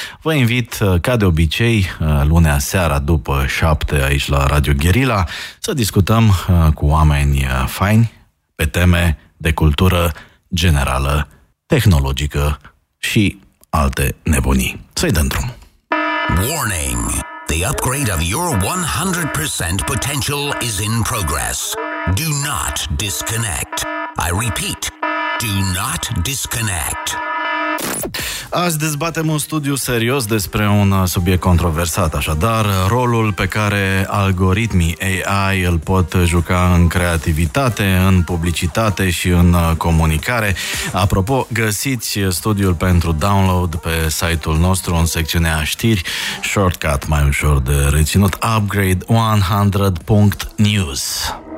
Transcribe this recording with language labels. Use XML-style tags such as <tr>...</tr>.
<ro>Vă invit, ca de obicei, lunea seara după 7 aici la Radio Guerilla, să discutăm cu oameni faini pe teme de cultură generală, tehnologică și alte nebunii. Să-i dăm drum.</ro> <en>Warning! The upgrade of your 100% potential is in progress. Do not disconnect. I repeat, do not disconnect.</en> <ro>Azi dezbatem un studiu serios despre un subiect controversat, așadar, rolul pe care algoritmii AI îl pot juca în creativitate, în publicitate și în comunicare. Apropo, găsiți studiul pentru download pe site-ul nostru, în secțiunea știri, shortcut, mai ușor de reținut, upgrade100.news.</ro>